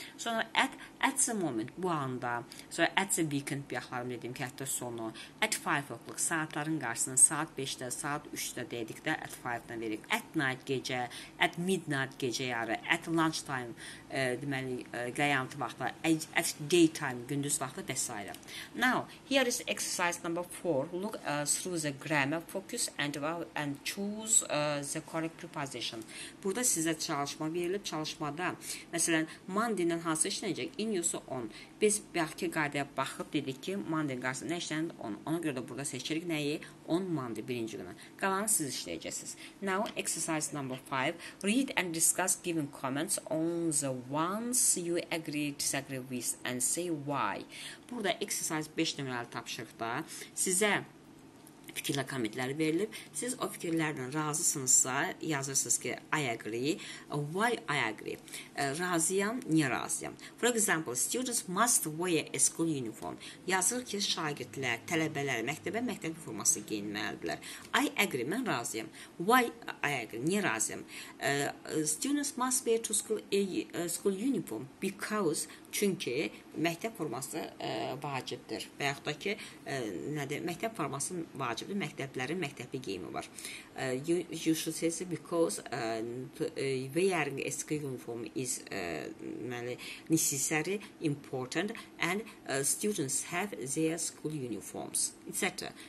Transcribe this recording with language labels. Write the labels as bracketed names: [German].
[Azerbaijani] Sonra [English] at the moment, [Azerbaijani] bu anda. Sonra [English] at the weekend, [Azerbaijani] bir axtarım dedim ki, həftə sonu. At 5 o'clock, saatların qarşısında, saat 5-də, saat 3-də deyədikdə at 5-də veririk. At night gecə, at midnight gecə yarı, at lunch time, deməli, qəyamtı vaxtı, at day time, gündüz vaxtı və s. [English] Now, here is exercise number 4. Look through the grammar, focus and choose the correct preposition. [Azerbaijani] Burada sizə çalışma verilib, çalışmada. Məsələn, Monday-dən hansı işləyəcək? [English] In use on. [Azerbaijani] Biz bəlkə qaydaya baxıb dedik ki, Monday qarşısında nə işlənir? On. Ona görə də burada seçirik nəyi? On Monday, birinci günü. Qalanı siz işləyəcəksiniz. [English] Now, exercise number 5. Read and discuss given comments on the ones you agree, disagree with and say why. [Azerbaijani] Burada exercise 5 nömrəli tapşırıqda sizə fikirlə komentlər verilib. Siz o fikirlərdən razısınızsa, yazırsınız ki, [English] I agree. Why I agree? [Azerbaijani] Razıyam, niyə razıyam? [English] For example, students must wear a school uniform. [Azerbaijani] Yazır ki, şagirdlər, tələbələr, məktəb forması geyinməlidirlər. [English] I agree, [Azerbaijani] mən razıyam. [English] Why I agree? [Azerbaijani] Niyə razıyam? [English] Students must wear to school a school uniform because [Azerbaijani] çünki məktəb forması vacibdir. Və yaxud da ki, nədir? Məktəb forması vacibdir. Məktəblərin məktəbi geyimi var. [English] You should say because wearing a school uniform is necessary, important and students have their school uniforms, etc.